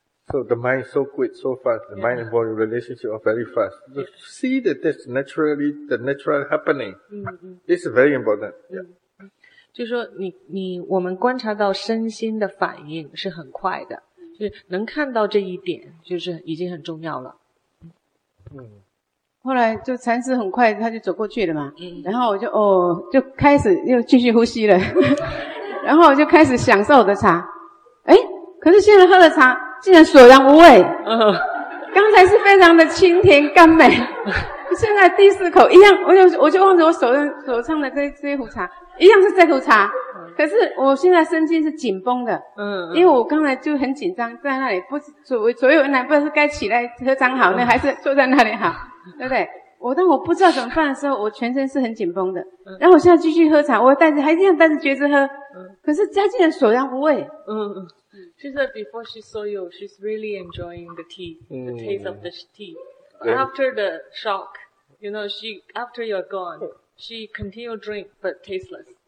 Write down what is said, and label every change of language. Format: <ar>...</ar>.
<en>So the mind is so quick so fast the mind and body relationship are very fast see that this naturally the natural happening this is very important</en> <zh>就是说你我们观察到身心的反应是很快的就是能看到这一点就是已经很重要了后来就禅师很快他就走过去了嘛然后我就就开始又继续呼吸了然后我就开始享受我的茶可是现在喝的茶竟然索然无味刚才是非常的清甜甘美现在第四口一样我就望着我手上的这一壶茶一样是这壶茶可是我现在身心是紧绷的因为我刚才就很紧张在那里不是所有人来不知道是该起来喝汤好呢还是坐在那里好对不对当我不知道怎么办的时候我全身是很紧绷的然后我现在继续喝茶我还这样带着觉知喝可是家竟然索然无味</zh> <en>She said before she saw you, she's really enjoying the tea, the taste of the tea. After the shock, you know, after you're gone, she continued drink, but tasteless.</en>